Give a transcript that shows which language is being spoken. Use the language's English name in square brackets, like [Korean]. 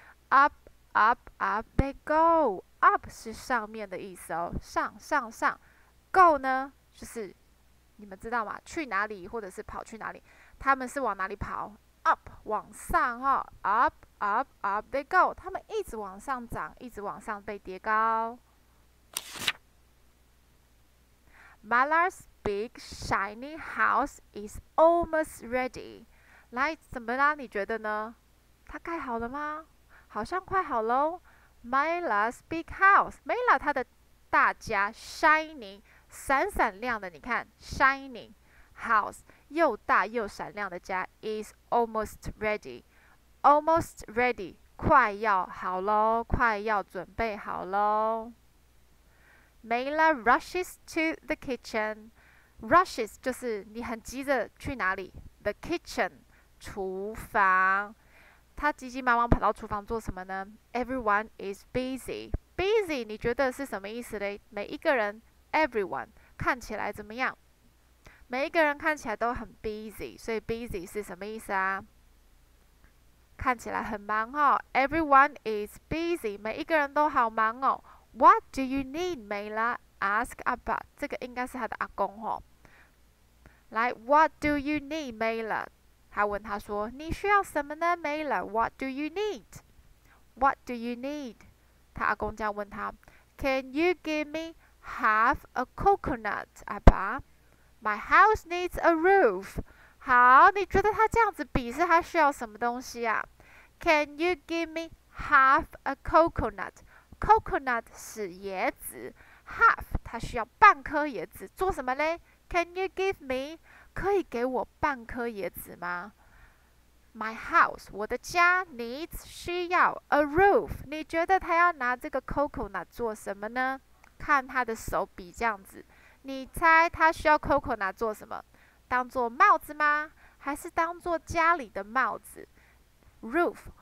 [English] Up, up, up they go. Up [Chinese] 是上面的意思哦。上上上。 Go 呢就是你们知道吗去哪里或者是跑去哪里。他们是往哪里跑 ?Up, 往上哦。 [English] Up, up, up they go. [Chinese] 他们一直往上涨一直往上被叠高。 [English] Mala's big shiny house is almost ready. [Chinese] 来，怎么啦？你觉得呢？它盖好了吗？好像快好喽。 [English] Mala's big house. [Chinese] Mala 她的大家 shiny 闪闪亮的，你看 [English] shiny house [Chinese] 又大又闪亮的家 [English] is almost ready. Almost ready [Chinese] 快要好喽，快要准备好喽。 [English] Mela rushes to the kitchen. [Chinese] Rushes 就是你很急着去哪里 [English] The kitchen [Chinese] 厨房她急急忙忙跑到厨房做什么呢 [English] Everyone is busy. [Chinese] Busy 你觉得是什么意思呢每一个人 Everyone 看起来怎么样每一个人看起来都很 busy 所以 busy 是什么意思啊看起来很忙哦 [English] Everyone is busy [Chinese] 每一个人都好忙哦 [English] What do you need, Mela? Ask Abba. [Chinese] 这个应该是他的阿公哦。 [English] 来 ,What do you need, Mela? [Chinese] 他问他说你需要什么呢 ,Mela? [English] What do you need? What do you need? [Chinese] 他阿公这样问他 [English] ,Can you give me half a coconut, Abba? My house needs a roof. [Chinese] 好你觉得他这样子比是他需要什么东西啊 ? [English] Can you give me half a coconut? [Chinese] Coconut 是椰子 Half 它需要半颗椰子做什么呢 [English] Can you give me [Chinese] 可以给我半颗椰子吗 [English] My house [Chinese] 我的家 needs 需要 [English] A roof [Chinese] 你觉得他要拿这个 coconut 做什么呢看他的手比这样子你猜他需要 coconut 做什么当做帽子吗还是当做家里的帽子 Roof